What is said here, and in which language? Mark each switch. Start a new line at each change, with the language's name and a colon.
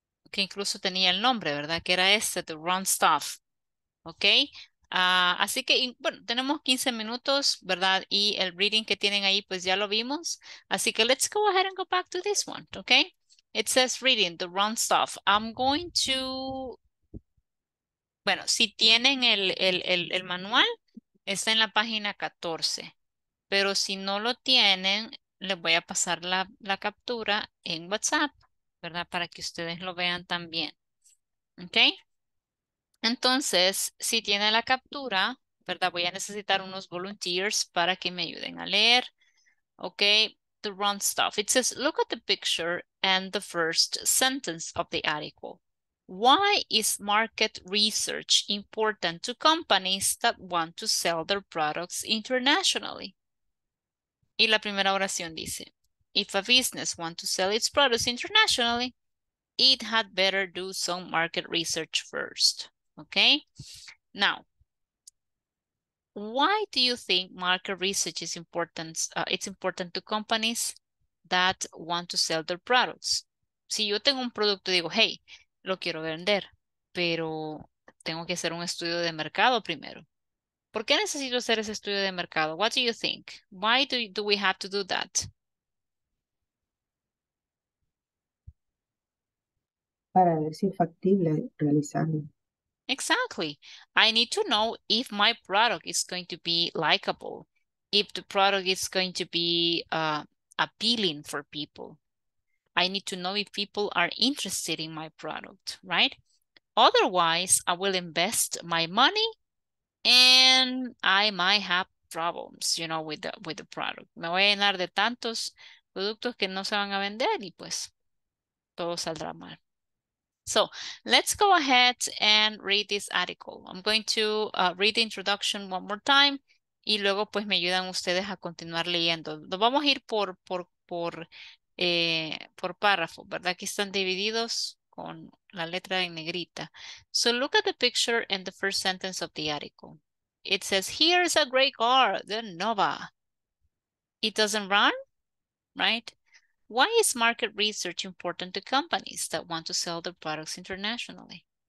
Spanish: Que incluso tenía el nombre, ¿verdad? Que era este,
English: the wrong stuff, okay.
Spanish: Así que, bueno, tenemos 15 minutos, ¿verdad? Y el reading que tienen ahí, pues ya lo vimos. Así que
English: let's go ahead and go back to this one, okay? It says reading, the wrong stuff. I'm going to...
Spanish: Bueno, si tienen el manual, está en la página 14. Pero si no lo tienen, les voy a pasar la captura en WhatsApp, ¿verdad? Para que ustedes lo vean también. ¿Ok? Entonces, si tiene la captura, ¿verdad? Voy a necesitar unos volunteers para que me ayuden a leer.
English: ¿Ok? To run stuff. It says, look at the picture and the first sentence of the article. Why is market research important to companies that want to sell their products internationally?
Spanish: Y la primera oración dice,
English: if a business wants to sell its products internationally, it had better do some market research first. Okay? Now, why do you think market research is important? It's important to companies that want to sell their products.
Spanish: Si yo tengo un producto, digo, hey, lo quiero vender, pero tengo que hacer un estudio de mercado primero. ¿Por qué necesito hacer ese estudio de mercado?
English: What do you think? Why do we have to do that?
Spanish: Para ver si es factible realizarlo.
English: Exactly. I need to know if my product is going to be likable, if the product is going to be appealing for people. I need to know if people are interested in my product, right? Otherwise, I will invest my money and I might have problems, you know, with the product.
Spanish: Me voy a llenar de tantos productos que no se van a vender y pues todo saldrá mal.
English: So let's go ahead and read this article. I'm going to read the introduction one more time
Spanish: y luego pues me ayudan ustedes a continuar leyendo. Nos vamos a ir por párrafo, ¿verdad? Aquí están divididos con la letra en negrita.
English: So look at the picture and the first sentence of the article. It says, here's a great car, the Nova. It doesn't run, right? Why is market research important to companies that want to sell their products internationally?